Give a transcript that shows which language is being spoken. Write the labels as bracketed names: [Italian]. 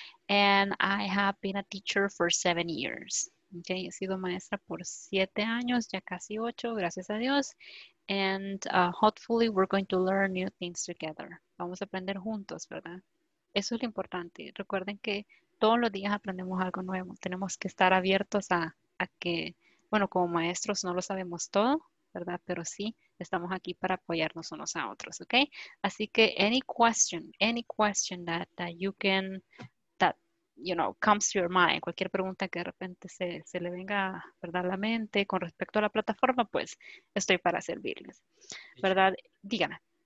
[English] And I have been a teacher for 7 years. [Spanish] Okay, he sido maestra por 7 años, ya casi 8, gracias a Dios. [English] And hopefully we're going to learn new things together. [Spanish] Vamos a aprender juntos, ¿verdad? Eso es lo importante. Recuerden que todos los días aprendemos algo nuevo. Tenemos que estar abiertos a que, bueno, como maestros no lo sabemos todo, ¿verdad? Pero sí, estamos aquí para apoyarnos unos a otros, ¿okay? Así que [English] any question that you can, that, you know, comes to your mind, [Spanish] cualquier pregunta que de repente se le venga, ¿verdad?, a la mente con respecto a la plataforma, pues estoy para servirles, ¿verdad? Dígame.